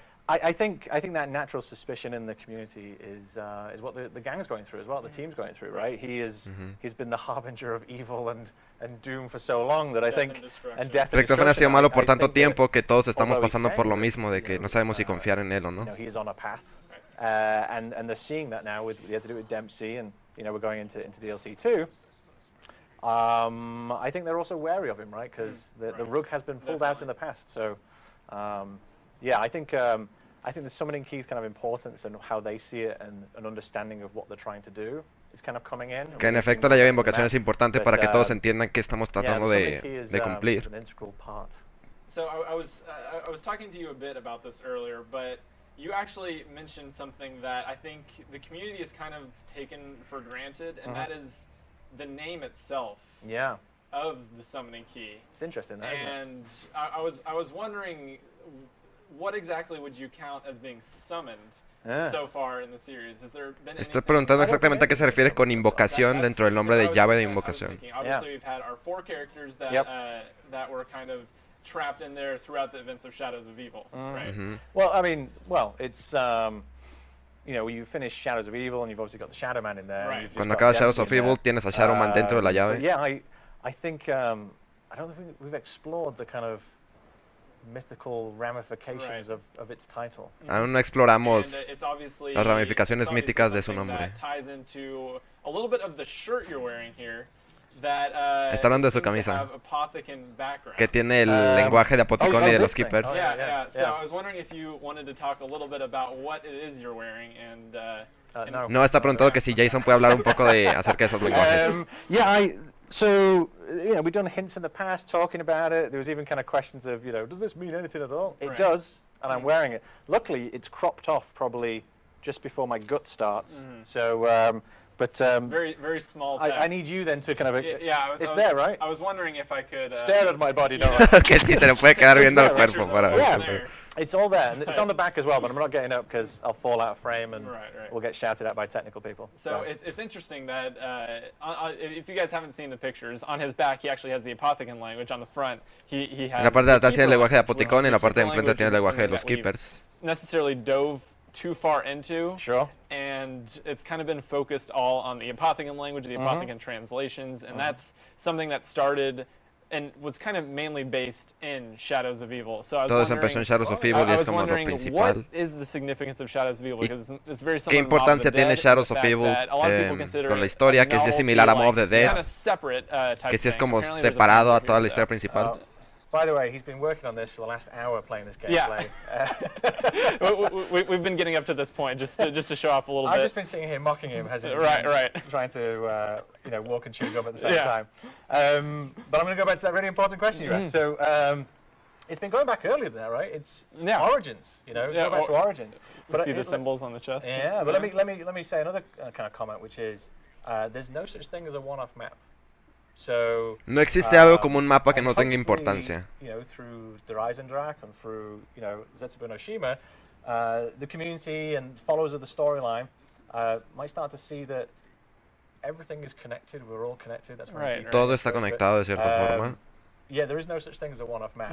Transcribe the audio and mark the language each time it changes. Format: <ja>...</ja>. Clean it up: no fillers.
<en>I think that natural suspicion in the community is what the gang is going through as well. The team's going through, right? He's been the harbinger of evil and doom for so long that death I think and death.</en> <es>Richtofen ha sido malo por tanto tiempo que todos estamos pasando por lo mismo de que no sabemos si confiar en él o no.</es> <en>He is on a path, and they're seeing that now with to do with Dempsey, and we're going into DLC 2. I think they're also wary of him, right? Because the rook has been pulled out in the past, so. I think the summoning key's kind of importance and how they see it and an understanding of what they're trying to do is kind of coming in.</en> <es>Que en efecto la llave de invocación es importante para que todos entiendan qué estamos tratando de cumplir.</es> <en>An integral part. So I was talking to you a bit about this earlier, but you actually mentioned something that I think the community has kind of taken for granted, and that is the name itself. Yeah. Of the summoning key. It's interesting, isn't it? And I was wondering, what exactly would you count as being summoned so far in the series? Has there been</en> <es>estoy preguntando exactamente a qué se refiere con invocación dentro del nombre de llave de invocación.</es> <en>Obviously, we've had our four characters that that were kind of trapped in there throughout the events of Shadows of Evil, right? Well, I mean, it's you finish Shadows of Evil and you've obviously got the Shadow Man in there. Right.</en> <es>Cuando acabas Shadows of Evil, tienes a Shadow Man dentro de la llave.</es> <en>Yeah, I think I don't think we've explored the kind of mythical ramifications of its title.</en> <es>Aún no exploramos las ramificaciones míticas de su nombre.</es> <en>Ties into a little bit of the shirt you're wearing here that</en> <es>está hablando de su camisa</es> <en>apothecan background.</en> <es>Que tiene el lenguaje de apoticón y de los keepers.</es> <en>Yeah. So I was wondering if you wanted to talk a little bit about what it is you're wearing and</en> <es>No, está preguntando que si Jason puede hablar un poco de acerca de esos lenguajes.</es> <en>So, you know, we've done hints in the past talking about it. There was even kind of questions of, you know, does this mean anything at all? It does, and I'm wearing it. Luckily, it's cropped off probably just before my gut starts. So, Very small text. I need you then to kind of... It's there, right? I was wondering if I could... stare at my body.</en> <es>Que si se le puede quedar viendo el cuerpo.</es> <en>Yeah, it's all there. And it's on the back as well, but I'm not getting up because I'll fall out of frame and we'll get shouted at by technical people. So it's interesting that if you guys haven't seen the pictures, on his back he actually has the Apothecan language. On the front, he has...</en> <es>En la parte de atrás tiene el lenguaje de Apothecon y en la parte de enfrente tiene el lenguaje de los Keepers.</es> <en>Necessarily dove... too far into. Sure. And it's kind of been focused all on the Apothecan language, the Apothecan translations, and that's something that started and was kind of mainly based in Shadows of Evil. So I was wondering, what is the significance of Shadows of Evil? Because it's very similar.</en> <es>¿Qué importancia tiene Shadows of Evil con la historia, que es similar a Mob of the Dead?</es> <en>Kind of separate,</en> <es>que si es como separado a toda la historia principal.</es> <en>By the way, he's been working on this for the last hour playing this gameplay. Yeah. we've been getting up to this point just to show off a little bit. I've just been sitting here mocking him as he's trying to walk and chew gum at the same time. But I'm going to go back to that really important question you asked. So it's been going back earlier than that, right? It's origins, you know, back to origins. But see the symbols on the chest. But let me say another kind of comment, which is there's no such thing as a one-off map. So,</en> <es>no existe algo como un mapa que no tenga importancia.</es> <en>You know, through the Reisendrak and through, you know, Zetsubou no Shima, the community and followers of the storyline might start to see that everything is connected, we're all connected. That's</en> <es>right. Todo está conectado de cierta forma.</es> <en>Yeah, there is no such thing as a one-off map.</en>